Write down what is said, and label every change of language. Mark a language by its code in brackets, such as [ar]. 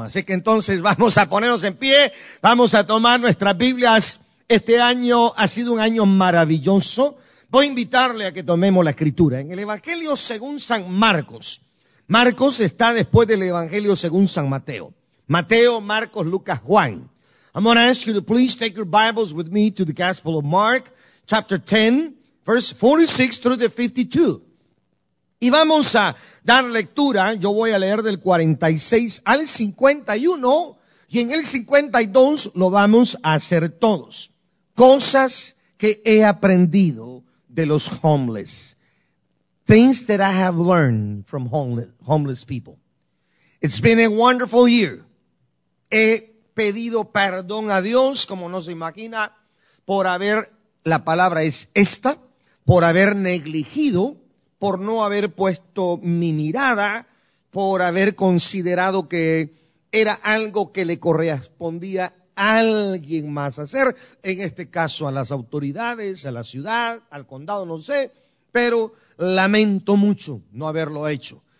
[es] Así que entonces vamos a ponernos en pie, vamos a tomar nuestras Biblias. Este año ha sido un año maravilloso. Voy a invitarle a que tomemos la Escritura. En el Evangelio según San Marcos. Marcos está después del Evangelio según San Mateo. Mateo, Marcos, Lucas, Juan. [en] I'm going to ask you to please take your Bibles with me to the Gospel of Mark, chapter 10, verse 46 through the 52. [es] Y vamos a dar lectura. Yo voy a leer del 46 al 51. Y en el 52 lo vamos a hacer todos. Cosas que he aprendido de los homeless. [en] Things that I have learned from homeless people. It's been a wonderful year. [es] He pedido perdón a Dios, como no se imagina, por haber, la palabra es esta, por haber negligido, por no haber puesto mi mirada, por haber considerado que era algo que le correspondía a alguien más hacer, en este caso a las autoridades, a la ciudad, al condado, no sé, pero lamento mucho no haberlo hecho.